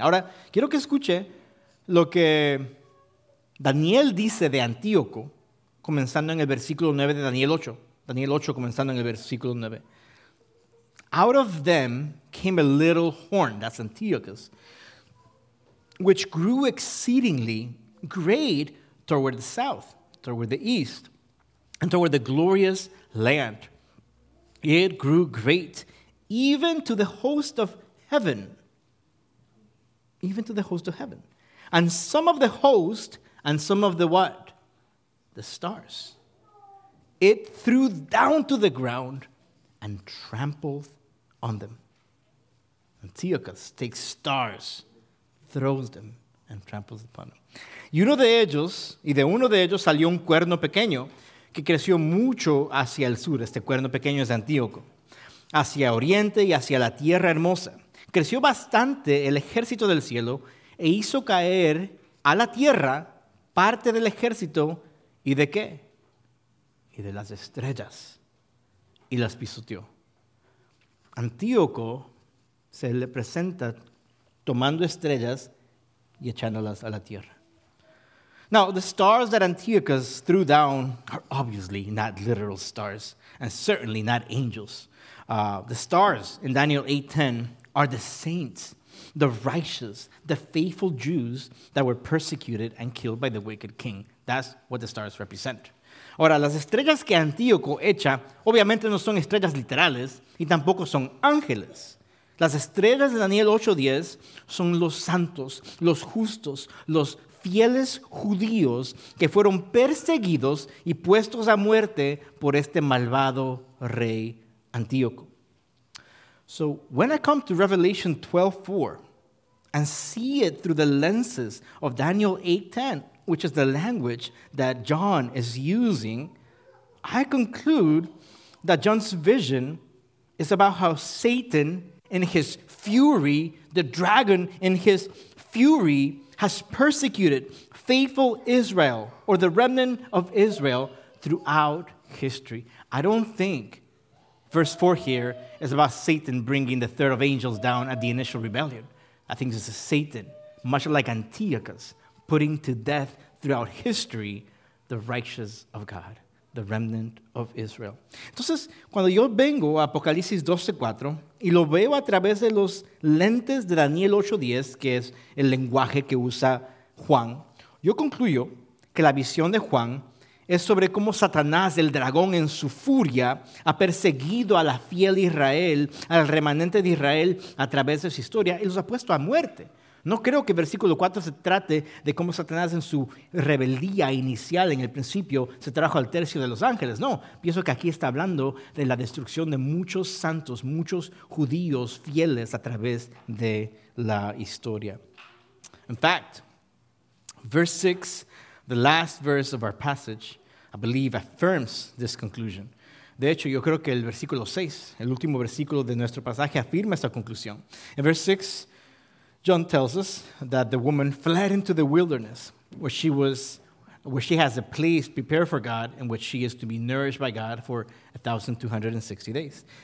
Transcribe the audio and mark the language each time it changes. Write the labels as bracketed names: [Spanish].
[Spanish] Ahora, quiero que escuche lo que Daniel dice de Antíoco, comenzando en el versículo 9 de Daniel 8. Daniel 8, comenzando en el versículo 9. [English] Out of them came a little horn, that's Antiochus, which grew exceedingly great toward the south, toward the east, and toward the glorious land. It grew great even to the host of heaven, even to the host of heaven. And some of the host and some of the what? The stars. It threw down to the ground and trampled on them. Antiochus takes stars, throws them, and tramples upon them. [Spanish] Y uno de ellos, y de uno de ellos salió un cuerno pequeño que creció mucho hacia el sur. Este cuerno pequeño es de Antíoco. Hacia oriente y hacia la tierra hermosa. Creció bastante el ejército del cielo e hizo caer a la tierra parte del ejército. ¿Y de qué? Y de las estrellas. Y las pisoteó. Antíoco se le presenta tomando estrellas y echándolas a la tierra. [English] Now, the stars that Antiochus threw down are obviously not literal stars and certainly not angels. The stars in Daniel 8:10 are the saints, the righteous, the faithful Jews that were persecuted and killed by the wicked king. That's what the stars represent. [Spanish] Ahora, las estrellas que Antíoco echa obviamente no son estrellas literales y tampoco son ángeles. Las estrellas de Daniel 8:10 son los santos, los justos, los fieles judíos que fueron perseguidos y puestos a muerte por este malvado rey Antíoco. [English] So, when I come to Revelation 12:4 and see it through the lenses of Daniel 8:10, which is the language that John is using, I conclude that John's vision is about how Satan in his fury, the dragon in his fury, has persecuted faithful Israel or the remnant of Israel throughout history. I don't think verse 4 here is about Satan bringing the third of angels down at the initial rebellion. I think this is Satan, much like Antiochus, putting to death throughout history the righteous of God, the remnant of Israel. [Spanish] Entonces, cuando yo vengo a Apocalipsis 12:4 y lo veo a través de los lentes de Daniel 8:10, que es el lenguaje que usa Juan, yo concluyo que la visión de Juan es sobre cómo Satanás, el dragón en su furia, ha perseguido a la fiel Israel, al remanente de Israel a través de su historia y los ha puesto a muerte. No creo que versículo 4 se trate de cómo Satanás en su rebeldía inicial en el principio se trajo al tercio de los ángeles. No, pienso que aquí está hablando de la destrucción de muchos santos, muchos judíos fieles a través de la historia. [English] In fact, verse 6, the last verse of our passage, I believe affirms this conclusion. [Spanish] De hecho, yo creo que el versículo 6, el último versículo de nuestro pasaje, afirma esta conclusión. [English] En verse 6, John tells us that the woman fled into the wilderness where she has a place prepared for God in which she is to be nourished by God for 1,260 days.